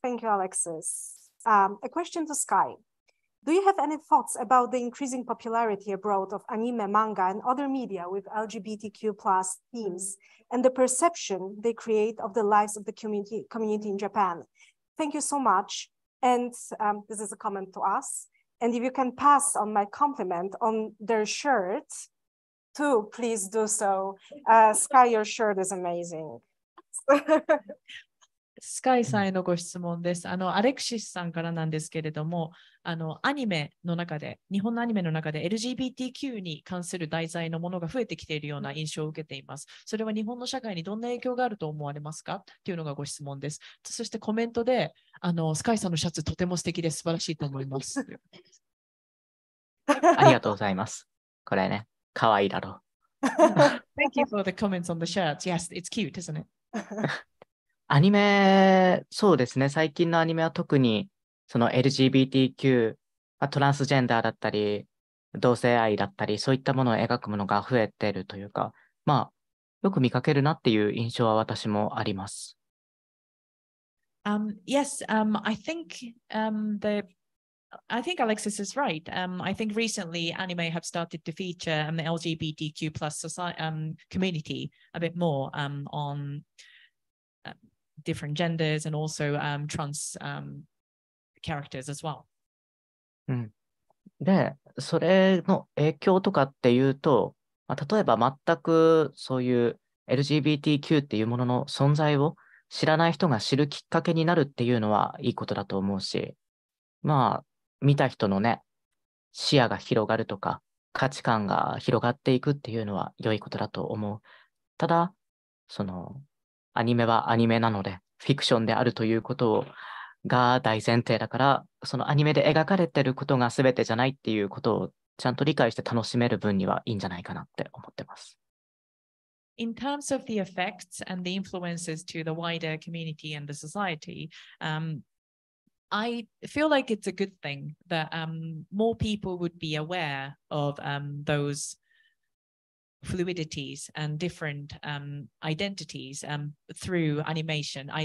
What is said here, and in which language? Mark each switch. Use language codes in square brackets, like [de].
[en] Thank you, Alexis. A question to Sky. Do you have any thoughts about the increasing popularity abroad of anime, manga, and other media with LGBTQ plus themes and the perception they create of the lives of the community in Japan? Thank you so much. And this is a comment to us. And if you can pass on my compliment on their shirt too, please do so. Sky, your shirt is amazing. [ja] スカイさんへのご質問です。あの、アレクシスさんからなんですけれども、あの、アニメの中で、日本のアニメの中で LGBTQ に関する題材のものが増えてきているような印象を受けています。それは日本の社会にどんな影響があると思われますか？っていうのがご質問です。そしてコメントで、あの、スカイさんのシャツとても素敵で素晴らしいと思います。ありがとうございます。これね、かわいいだろう。 [en] Thank you for the comments on the shirt. Yes, it's cute, isn't it? [ja] アニメ、そうですね。最近のアニメは特に、その LGBTQ、まあ、トランスジェンダーだったり、同性愛だったり、そういったものを描くものが増えてるというか、まあ、よく見かけるなっていう印象は私もあります。 [en] Yes, I think, I think Alexis is right. I think recently anime have started to feature the LGBTQ plus society, community a bit more on... different genders and also trans characters as well. [ja] で、それの影響とかっていうと、まあ、例えば全くそういう LGBTQ っていうものの存在を知らない人が知るきっかけになるっていうのはいいことだと思うし、まあ見た人のね、視野が広がるとか、価値観が広がっていくっていうのは良いことだと思う。ただ、そのアニメはアニメなので、フィクションであるということをが大前提だから、そのアニメで描かれてることが全てじゃないっていうことをちゃんと理解して楽しめる分にはいいんじゃないかなって思ってます。 [en] In terms of the effects and the influences to the wider community and the society, I feel like it's a good thing that more people would be aware of thoseFluidities and different identities through animation.